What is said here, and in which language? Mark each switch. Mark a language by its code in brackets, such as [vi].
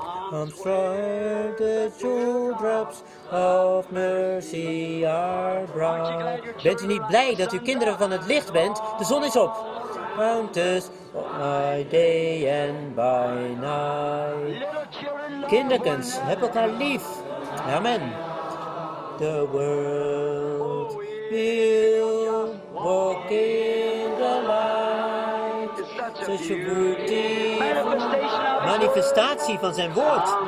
[en] Comes where the dewdrops of mercy are bright. [nl] Bent u niet blij dat u kinderen van het licht bent? De zon is op. [en] Round us by day and by night. [nl] Kinderkens, heb elkaar lief. Amen. [en] The world will walk in the light. Such a beauty. [nl] Manifestatie van zijn woord.